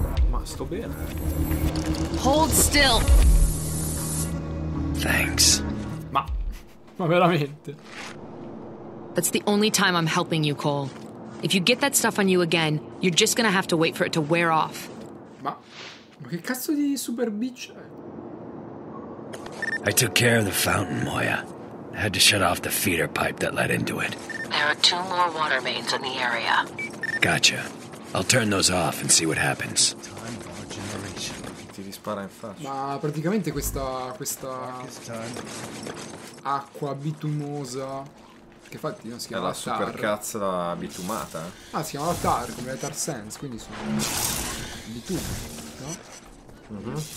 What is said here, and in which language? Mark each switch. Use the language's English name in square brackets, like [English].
[Italian] Ma sto bene. [English] Hold still. Thanks. [Italian] Ma veramente. [English] That's the only time I'm helping you, Cole. If you get that stuff on you again, you're just gonna have to wait for it to wear off. [Italian] Ma che cazzo di super bitch è? [English] I took care of the fountain, Moya. had to shut off the feeder pipe that led into it. There are two more water mains in the area. Gotcha. I'll turn those off and see what happens. [Italian] Ti rispara in faccia. Ma praticamente questa acqua bitumosa, che infatti non si chiama è la super cazzo da bitumata. Ah, si chiama tar, come le tar sands, quindi sono bitume, no?